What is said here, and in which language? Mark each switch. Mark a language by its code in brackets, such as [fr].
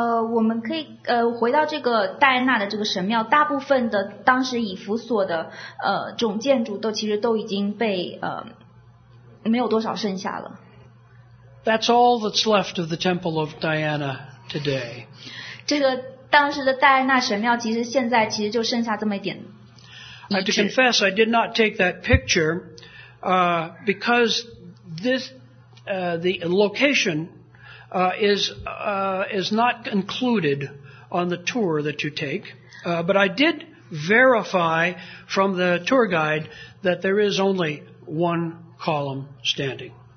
[zh] 我们可以回到这个戴安娜的这个神庙，大部分的当时以弗所的这种建筑都其实都已经被没有多少剩下了。 [en] That's all that's left of the Temple of Diana today. [zh] 这个当时的戴安娜神庙其实现在其实就剩下这么一点遗址。 [en] I have to confess, I did not take that picture because this the location is not included on the tour that you take, but I did verify from the tour guide that there is only one column standing.